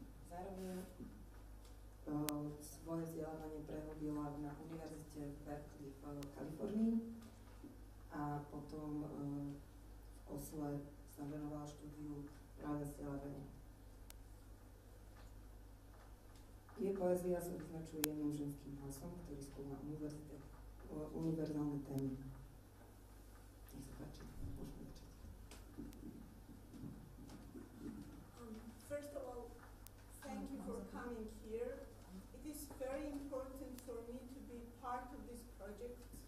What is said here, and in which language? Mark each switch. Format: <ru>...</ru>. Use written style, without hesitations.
<sk>Zároveň svoje vzdělávání prehlbila na univerzitě v Berkeley v Kalifornii a potom v Osle sa venovala štúdiu práve vzdělávání. Je poezia sa vyznačuje jedným ženským hlasom, ktorý skúma univerzálne témy. Nech sa páči, môžeme začať.</sk> <en>First of all, thank you for coming here. It is very important for me to be part of this project.</en>